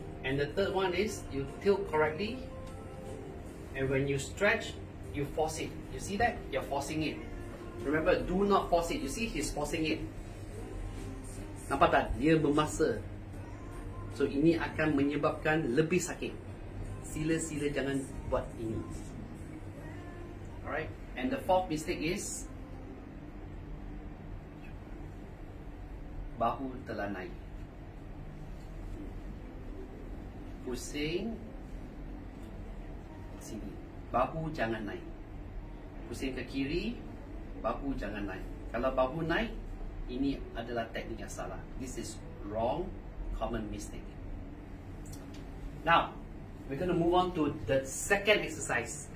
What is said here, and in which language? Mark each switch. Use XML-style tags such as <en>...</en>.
<en>And the third one is you tilt correctly, and when you stretch, you force it. You see that? You're forcing it. Remember, do not force it. You see, he's forcing it.</en> <ms>Nampak tak? Dia bermasa. So ini akan menyebabkan lebih sakit. Sila-sila jangan buat ini. Alright.</ms> <en>And the fourth mistake is</en> <ms>bahu telah naik. Pusing sini. Bahu jangan naik. Pusing ke kiri, bahu jangan naik. Kalau bahu naik, ini adalah teknik yang salah.</ms> <en>This is wrong, common mistake. Now, we're going to move on to the second exercise.</en>